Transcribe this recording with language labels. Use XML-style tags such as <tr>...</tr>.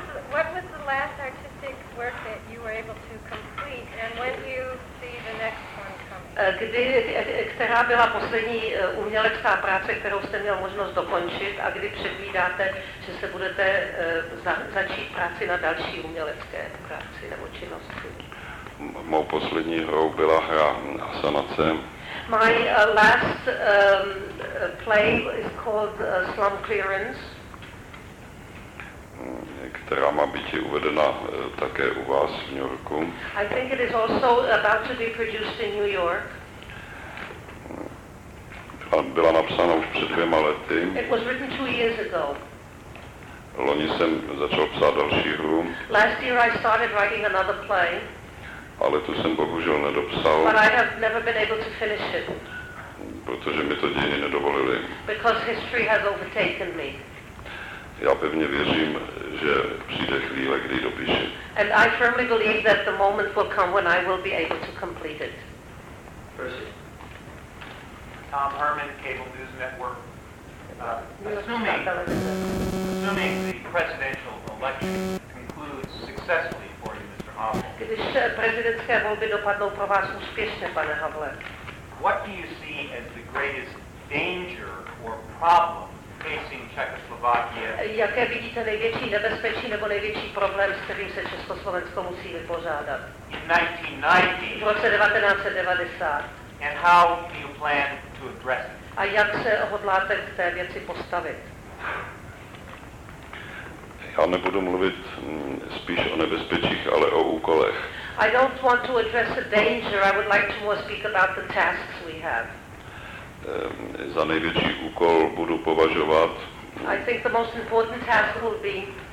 <en>What was the last artistic work that you were able to complete, and when do you see the next one coming?</en> <cs>Která byla poslední umělecká práce, kterou jste měl možnost dokončit, a kdy předvídáte, že se budete začít práci na další umělecké práci nebo činnosti? Mou poslední hrou byla hra Asanace.</cs> <en>My last play is called Slum Clearance.</en> <cs>Která má být uvedena také u vás v New Yorku.</cs> <en>I think it is also about to be produced in New York.</en> <cs>Byla napsána už před dvěma lety.</cs> <en>It was written 2 years ago.</en> <cs>Loni jsem začal psát další hru.</cs> <en>Last year I started writing another play.</en> <cs>Ale tu jsem bohužel nedopsal.</cs> <en>But I have never been able to finish it.</en> <cs>Protože mi to dějiny nedovolily.</cs> <en>Because history has overtaken me.</en> <cs>Já pevně věřím, že přijde chvíle, kdy dopíšu.</cs> <en>And I firmly believe that the moment will come when I will be able to complete it. Tom Herman, Cable News Network. Assuming the presidential election concludes successfully for you, Mr. Havel.</en> <cs>Když prezidentské volby dopadnou pro vás úspěšně, pane Havle.</cs> <en>What do you see as the greatest danger or problem facing Czechoslovakia?</en> <cs>Jaké vidíte největší nebezpečí nebo největší problém, s kterým se Československo musí vypořádat?</cs> <en>In 1990.</en> <cs>V roce 1990.</cs> <en>And how do you plan to address it?</en> <cs>A jak se hodláte k té věci postavit? Já nebudu mluvit spíš o nebezpečích, ale o úkolech.</cs> <en>I don't want to address the danger, I would like to more speak about the tasks we have.</en> <cs>Za největší úkol budu považovat,</cs> <en>I think the most important task will be,</en>